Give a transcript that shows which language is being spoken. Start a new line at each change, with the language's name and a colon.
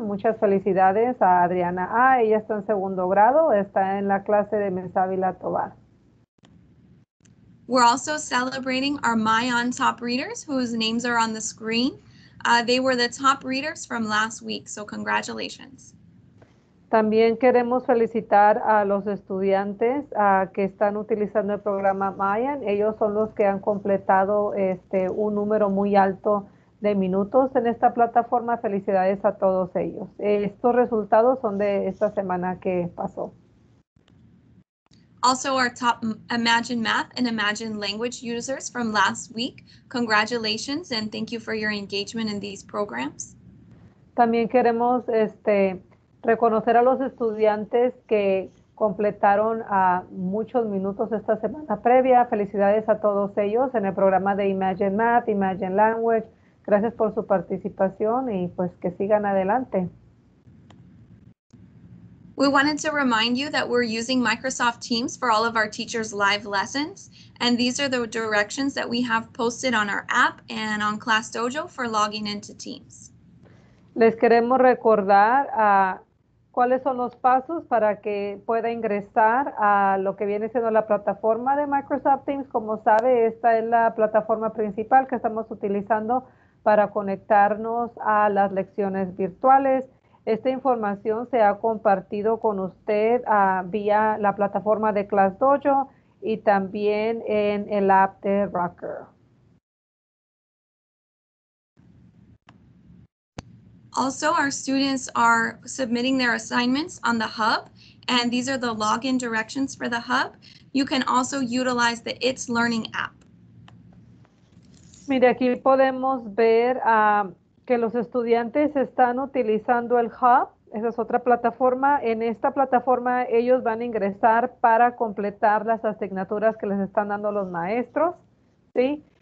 Spanish: Muchas felicidades a Adriana A. Ella está en segundo grado. Está en la clase de Ms. Avila Tovar.
English: We're also celebrating our My On Top readers, whose names are on the screen. They were the top readers from last week, so congratulations.
Spanish: También queremos felicitar a los estudiantes que están utilizando el programa Mayan. Ellos son los que han completado un número muy alto de minutos en esta plataforma. Felicidades a todos ellos. Estos resultados son de esta semana que pasó.
English: Also, our top Imagine Math and Imagine Language users from last week. Congratulations and thank you for your engagement in these programs.
Spanish: También queremos reconocer a los estudiantes que completaron muchos minutos esta semana previa. Felicidades a todos ellos en el programa de Imagine Math, Imagine Language. Gracias por su participación y pues que sigan adelante.
English: We wanted to remind you that we're using Microsoft Teams for all of our teachers' live lessons. And these are the directions that we have posted on our app and on ClassDojo for logging into Teams.
Spanish: Les queremos recordar cuáles son los pasos para que pueda ingresar a lo que viene siendo la plataforma de Microsoft Teams. Como sabe, esta es la plataforma principal que estamos utilizando para conectarnos a las lecciones virtuales. Esta información se ha compartido con usted vía la plataforma de ClassDojo y también en el app de Rucker.
English: Also, our students are submitting their assignments on the hub, and these are the login directions for the hub. You can also utilize the It's Learning app.
Spanish: Mire, aquí podemos ver que los estudiantes están utilizando el hub. Esa es otra plataforma. En esta plataforma, ellos van a ingresar para completar las asignaturas que les están dando los maestros, ¿sí?